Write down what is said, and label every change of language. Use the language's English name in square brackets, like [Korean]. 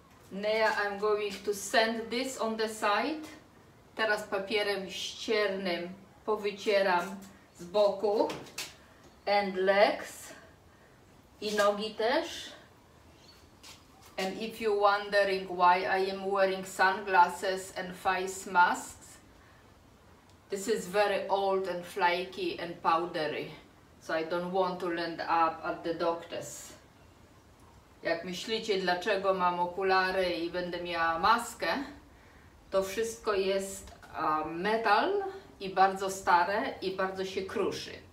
[English] Nea, I'm going to send this on the side. [Polish] Teraz papierem ściernym powycieram z boku [English] and legs [Polish] i nogi też. [English] And if you're wondering why I am wearing sunglasses and face masks, this is very old and flaky and powdery. So I don't want to land up at the doctor's. [Polish] Jak myślicie, dlaczego mam okulary i będę miała maskę, to wszystko jest metal i bardzo stare i bardzo się kruszy.